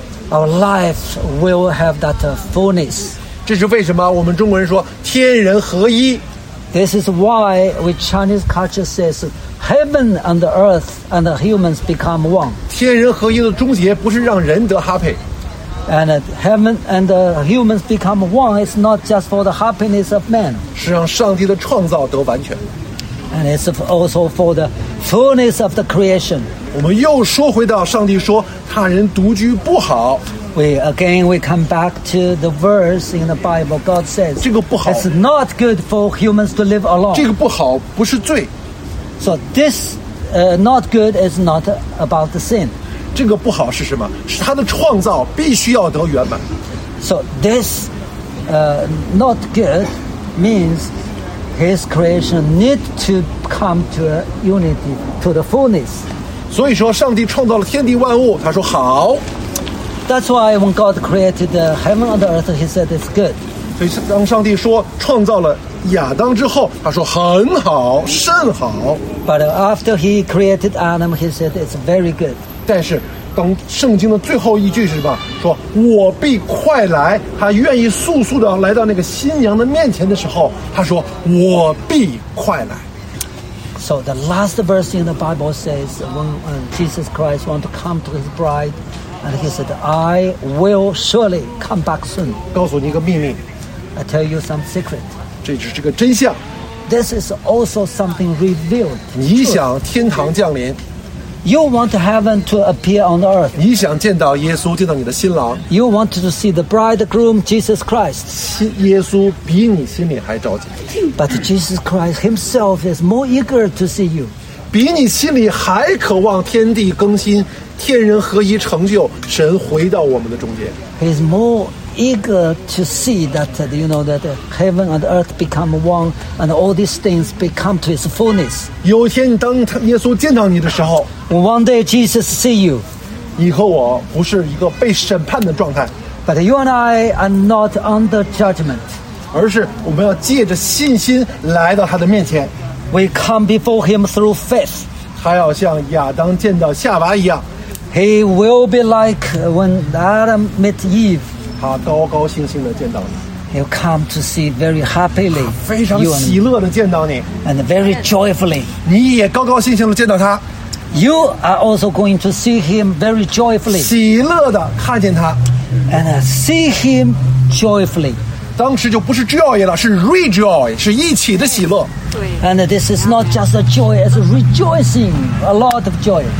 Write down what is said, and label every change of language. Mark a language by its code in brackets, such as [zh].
[en] Our life will have that fullness. [zh] 这是为什么我们中国人说天人合一。 [en] This is why we Chinese culture says heaven and earth and humans become one. [zh] 天人合一的终结不是让人得哈佩。 [en] And heaven and humans become one is not just for the happiness of man. [zh] 是让上帝的创造得完全。 [en] And it's also for the fullness of the creation. [zh] 我们又说回到上帝说他人独居不好。 [en] We come back to the verse in the Bible. God says, [zh] 这个不好。 [en] It's not good for humans to live alone. [zh] 这个不好不是罪。 [en] So this not good is not about the sin. [zh] 这个不好是什么？是他的创造必须要得圆满。 [en] So this not good means His creation need to come to a unity, to the fullness. [zh] 所以说上帝创造了天地万物，他说好。 [en] That's why when God created the heaven and the earth, he said it's good. [zh] 所以当上帝说创造了亚当之后，他说很好，甚好。 [en] But after he created Adam, he said it's very good. [zh] 但是当圣经的最后一句是什么？说我必快来，他愿意速速地来到那个新娘的面前的时候，他说我必快来。 [en] So the last verse in the Bible says when Jesus Christ wants to come to his bride, and he said, I will surely come back soon. [zh] 告诉你一个秘密。 [en] I tell you some secret. [zh] 这就是这个真相。 [en] This is also something revealed. [zh] 你想天堂降临。 [en] You want heaven to appear on earth. [zh] 你想见到耶稣，见到你的新郎。 [en] You want to see the bridegroom, Jesus Christ. [zh] 耶稣比你心里还着急。 [en] But Jesus Christ himself is more eager to see you. [zh] 比你心里还渴望天地更新，天人合一成就，神回到我们的中间。 [en] He is more eager to see that, you know, that heaven and earth become one and all these things become to its fullness. [zh] 有一天当耶稣见到你的时候， [en] One day Jesus see you. [zh] 你和我不是一个被审判的状态。 [en] But you and I are not under judgment. [zh] 而是我们要借着信心来到他的面前。 [en] We come before him through faith. [zh] 他要像亚当见到夏娃一样。 [en] He will be like when Adam met Eve. [zh] 他高高兴兴地见到你。 [en] He'll come to see very happily. [zh] 他非常喜乐地见到你。 [en] And very joyfully. [zh] 你也高高兴兴地见到他。 [en] You are also going to see him very joyfully. [zh] 喜乐地看见他。 [en] And see him joyfully. [zh] 当时就不是 joy 了，是 rejoy， 是一起的喜乐。 [en] And this is not just a joy, it's a rejoicing, a lot of joy.